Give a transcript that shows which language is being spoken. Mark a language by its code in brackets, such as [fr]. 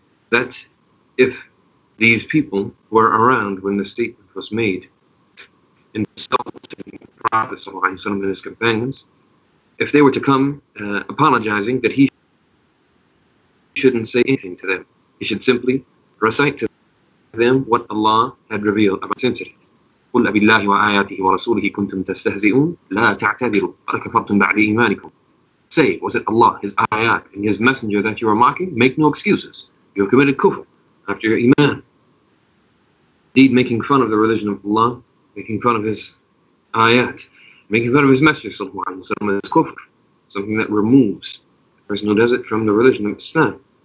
[en] That if these people were around when the statement was made, insulting the Prophet ﷺ and his companions, if they were to come apologizing, that he shouldn't say anything to them. He should simply recite to them what Allah had revealed about sincerity. [ar] قل بالله وآياته ورسوله كنتم تستهزئون لا تعتذروا قد كفرتم بعد إيمانكم. [en] Say, was it Allah, His ayat, and His messenger that you are mocking? Make no excuses. You have committed kufr after your iman. Indeed, making fun of the religion of Allah, making fun of His ayat, making fun of His messenger, sallallahu alaihi wasallam, is kufr, something that removes the person who does it from the religion of Islam.